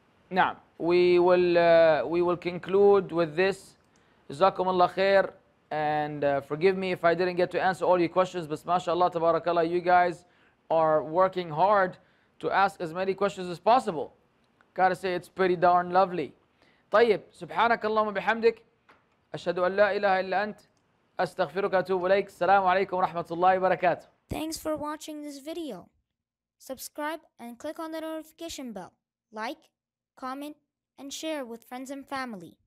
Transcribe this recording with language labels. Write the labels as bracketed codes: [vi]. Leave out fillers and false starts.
[en] نعم, we will conclude with this. [ar] جزاكم الله خير. [en] And forgive me if I didn't get to answer all your questions, but mashallah, tabarakallah, you guys are working hard to ask as many questions as possible. Gotta say, it's pretty darn lovely. [ar] طيب, سبحانك اللهم بحمدك, أشهد أن لا إله إلا أنت, أستغفرك أتوب إليك, السلام عليكم ورحمة الله وبركاته. [en] Thanks for watching this video. Subscribe and click on the notification bell. Like, comment, and share with friends and family.